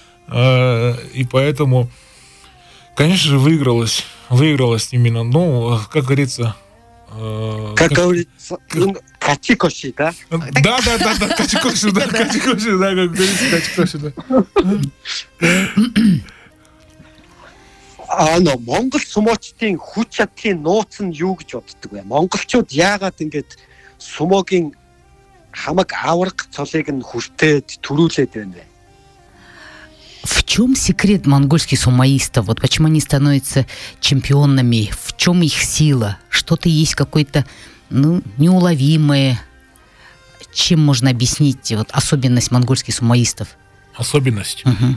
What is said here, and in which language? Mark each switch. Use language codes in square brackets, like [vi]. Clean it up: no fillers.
[ru] И поэтому, конечно же, выигралось именно, ну, как говорится... Как говорится... Качикоши, да? Да, качикоши, да, качикоши, да, как говорится, качикоши, да. [mn] Ано, монгол сумочтын хүч чадлын нууц нь юу гэж боддог вэ? Монголчууд яагаад ингээд сумогийн хамаг авраг цолыг нь хүртээд төрүүлээд байна вэ? [ru] В чем секрет монгольских сумоистов? Вот почему они становятся чемпионами? В чем их сила? Что-то есть какой-то ну, неуловимое. Чем можно объяснить вот, особенность монгольских сумоистов? Особенность? Угу.